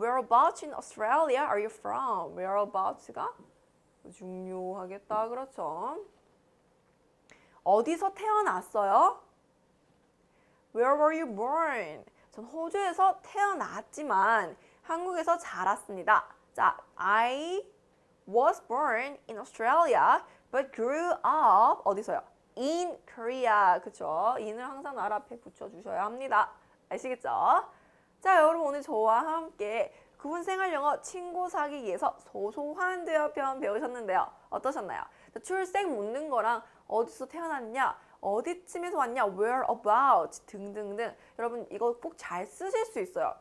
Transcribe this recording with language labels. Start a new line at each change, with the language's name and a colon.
English: Whereabouts in Australia are you from? Whereabouts가
Korean: 중요하겠다. 그렇죠. 어디서 태어났어요?
English: Where were you born?
Korean: 전 호주에서 태어났지만 한국에서 자랐습니다.
English: 자, I was born in Australia but grew up
Korean: 어디서요?
English: In Korea,
Korean: 그쵸? in을 항상 나라 앞에 붙여주셔야 합니다. 아시겠죠? 자, 여러분 오늘 저와 함께 구분 생활 영어 친구 사귀기에서 소소한 대어 표현 배우셨는데요. 어떠셨나요? 자, 출생 묻는 거랑 어디서 태어났냐, 어디쯤에서 왔냐, whereabouts 등등등 여러분 이거 꼭 잘 쓰실 수 있어요.